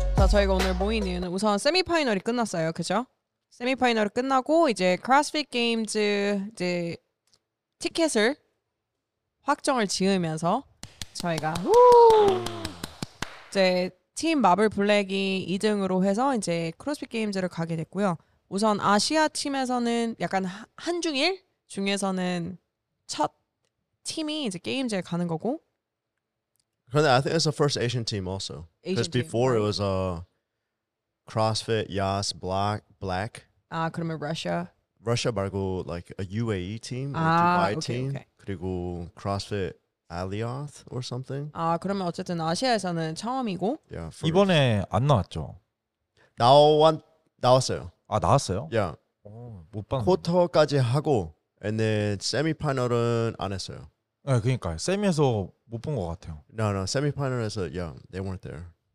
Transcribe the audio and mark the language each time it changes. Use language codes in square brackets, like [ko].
[ko] 저희가 오늘 모인 이유는 우선 세미파이널이 끝났어요. 그죠? 세미파이널이 끝나고 이제 크로스핏 게임즈 이제 티켓을 확정을 지으면서 저희가 이제 팀 마블 블랙이 2등으로 해서 이제 크로스핏 게임즈를 가게 됐고요. 우선 아시아 팀에서는 약간 한중일 중에서는 첫 팀이 이제 게임즈에 가는 거고. [en] I think it's the first Asian team also. Because before it was CrossFit, Yas, Black. [ko] 아, 그러면 Russia. [en] Russia [ko] 말고 [en] like a UAE team, a Dubai team. [ko] 그리고 [en] CrossFit Alioth or something. [ko] 아, 그러면 어쨌든 아시아에서는 처음이고. [en] Yeah, [ko] 이번에 안 나왔죠? 나왔어요. 아, 나왔어요? [en] Yeah. [ko] 오, 못 봤네. 쿼터까지 하고 [en] and then [ko] semi-final은 안 했어요. 네, 그러니까 세미에서 못 본 것 같아요. [en] No, no, semi-final에서 yeah, they weren't there.